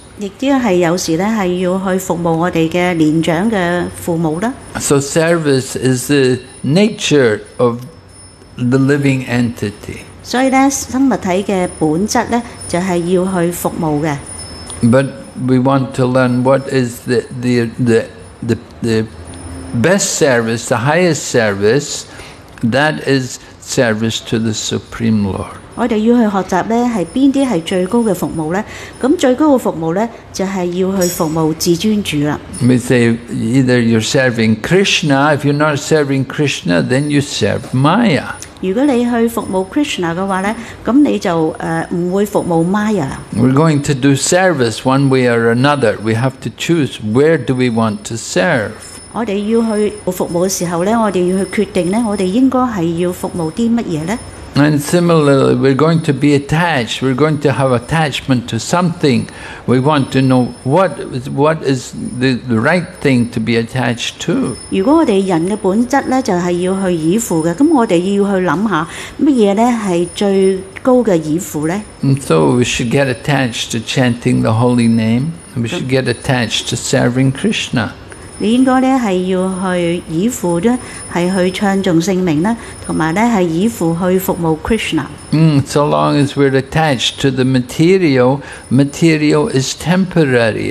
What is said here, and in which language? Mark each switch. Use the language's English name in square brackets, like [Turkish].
[Cantonese] 亦都係有時咧，係要去服務我哋嘅年長嘅父母啦。 [English] So service is the nature of the living entity. [Cantonese] 所以咧，生物體嘅本質咧，就係要去服務嘅。 [English] But we want to learn what is the best service, the highest service. That is service to the Supreme Lord. [Cantonese] 我哋要去學習咧，係邊啲係最高嘅服務咧？咁最高嘅服務咧，就係要去服務至尊主啦。We [English] say either you're serving Krishna. If you're not serving Krishna, then you serve Maya. [Cantonese] 如果你去服務 Krishna 嘅話咧，咁你就唔會服務 Maya. [English] We're going to do service one way or another. We have to choose where do we want to serve. [Cantonese] 我哋要去服務嘅時候咧，我哋要去決定咧，我哋應該係要服務啲乜嘢咧？ [English] And similarly, we're going to be attached. We're going to have attachment to something. We want to know what is the right thing to be attached to. [Cantonese] 如果我们人的本质就是要去依附的，那我们要去想下乜嘢咧系最高嘅依附咧？ [English] And so we should get attached to chanting the holy name. We should get attached to serving Krishna. [Cantonese] 你应该咧系要去依附啫，系去唱颂圣名啦，同埋咧系依附去服务 Krishna。 [English] So long as we're attached to the material is temporary.